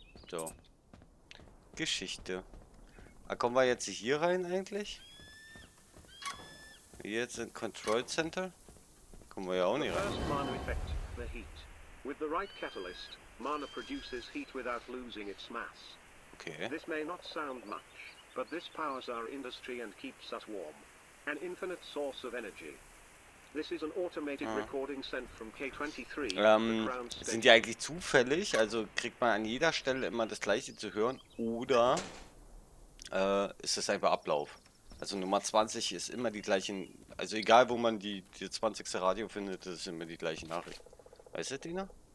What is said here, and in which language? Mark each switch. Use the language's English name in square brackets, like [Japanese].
[German] So. Geschichte. Da kommen wir jetzt hier rein eigentlich? Jetzt in Control Center? Kommen wir ja auch nicht rein. [English] The first mana effect, the heat. With the right catalyst, mana produces heat without losing its mass. Okay. This may not sound much, but this powers our industry and keeps us warm. An infinite source of energy. This is an automated recording sent from K23. [German] Sind die eigentlich zufällig? Also kriegt man an jeder Stelle immer das gleiche zu hören? Oder ist das einfach Ablauf? Also Nummer 20 ist immer die gleiche, also egal wo man die 20. Radio findet, das ist immer die gleiche Nachricht. Weißt du, Dina?